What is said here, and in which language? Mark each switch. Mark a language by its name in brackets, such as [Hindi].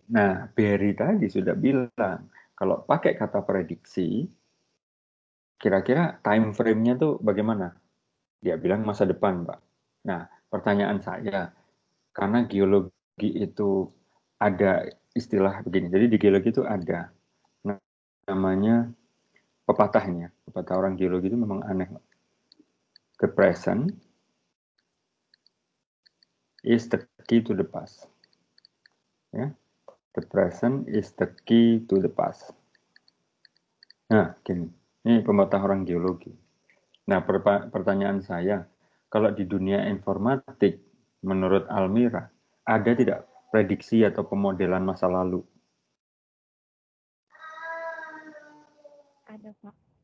[Indonesian] Nah, Barry tadi sudah bilang, kalau pakai kata prediksi, kira-kira time frame-nya tuh bagaimana? Dia bilang masa depan, Pak. Nah, pertanyaan saya, karena geologi itu ada istilah begini, jadi di geologi itu ada namanya pepatahnya, pepatah orang geologi itu memang aneh. [English] The present is the key to the past. Ya, the present is the key to the past. [Indonesian] Nah, gini, ini pepatah orang geologi. Nah, pertanyaan saya, kalau di dunia informatik, menurut Almira, ada tidak prediksi atau pemodelan masa lalu? Ada, Pak.